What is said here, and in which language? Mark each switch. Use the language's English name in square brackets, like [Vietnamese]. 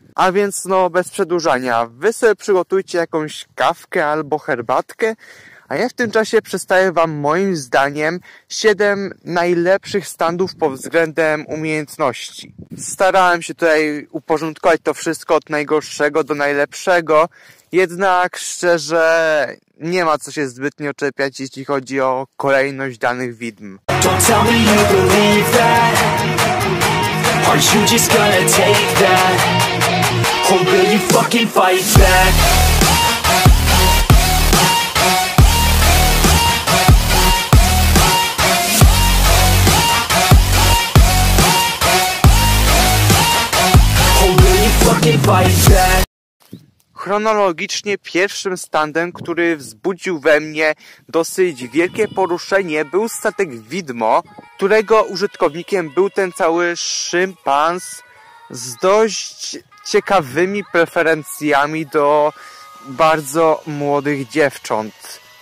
[Polish] A więc no bez przedłużania, wy sobie przygotujcie jakąś kawkę albo herbatkę, a ja w tym czasie przedstawię wam moim zdaniem 7 najlepszych standów pod względem umiejętności. Starałem się tutaj uporządkować to wszystko od najgorszego do najlepszego, jednak szczerze nie ma co się zbytnio czepiać, jeśli chodzi o kolejność danych widm. [English] Don't tell me you believe that. Are you just gonna take that? Or will you fucking fight back? Or will you fucking fight back? [Polish] Chronologicznie pierwszym standem, który wzbudził we mnie dosyć wielkie poruszenie, był statek Widmo, którego użytkownikiem był ten cały szympans z dość ciekawymi preferencjami do bardzo młodych dziewcząt.